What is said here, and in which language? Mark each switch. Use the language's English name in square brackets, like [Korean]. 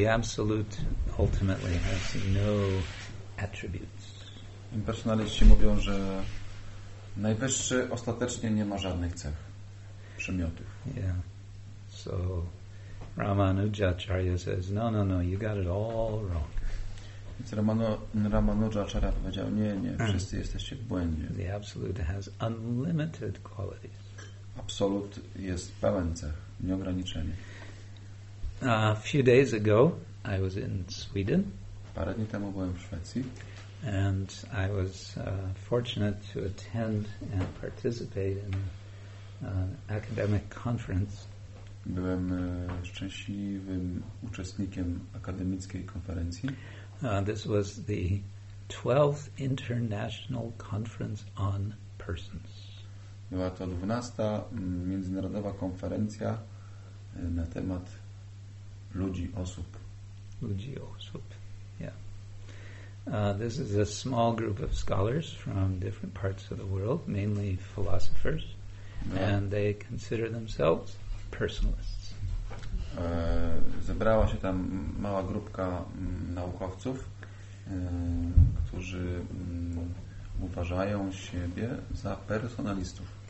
[English] The absolute ultimately has no attributes. [Polish] Impersonaliści mówią, że Najwyższy ostatecznie nie ma żadnych cech, przymiotów. [English] Yeah. So Ramanujacharya says, no, you got it all wrong. [Polish] Więc Ramanujacharya powiedział, nie, wszyscy jesteście w błędzie. [English] The absolute has unlimited qualities. [Polish] Absolut jest pełen cech, nieograniczenie. [English] A few days ago, I was in Sweden. [Polish] Parę dni temu byłem w Szwecji. [English] And I was fortunate to attend and participate in an academic conference. [Polish] Byłem szczęśliwym uczestnikiem akademickiej konferencji. [English] This was the 12th International Conference on Persons. [Polish] Była to 12. Międzynarodowa konferencja na temat ludzi, osób. Ludzi, osób. [English] This is a small group of scholars from different parts of the world, mainly philosophers, and they consider themselves personalists. [Polish] Zebrała się tam mała grupka naukowców, którzy uważają siebie za personalistów.